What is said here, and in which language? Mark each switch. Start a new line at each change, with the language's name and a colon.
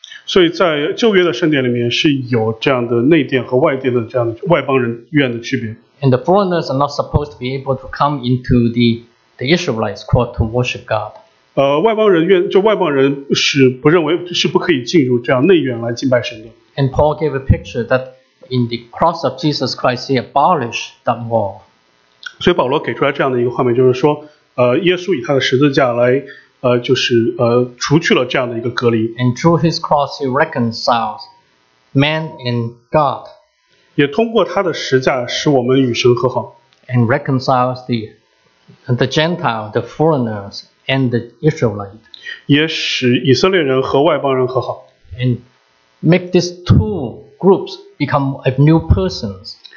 Chinese: 所以在旧约的圣殿里面是有这样的内殿和外殿的这样的外邦人院的区别。
English: And the foreigners are not supposed to be able to come into the Israelites court to worship God.
Chinese: 外邦人院是不可以进入这样内院来敬拜神的。
English: And Paul gave a picture that in the cross of Jesus Christ, he abolished that wall.
Chinese: 所以保罗给出来这样的一个画面，就是说，耶稣以他的十字架来，就是除去了这样的一个隔离。
English: And through his cross, he reconciles man and God.
Chinese: 也通过他的十字架，使我们与神和好。
English: And reconciles the Gentile, the foreigners, and the Israelite.
Chinese: 也使以色列人和外邦人和好。
English: And make these two groups become a new persons.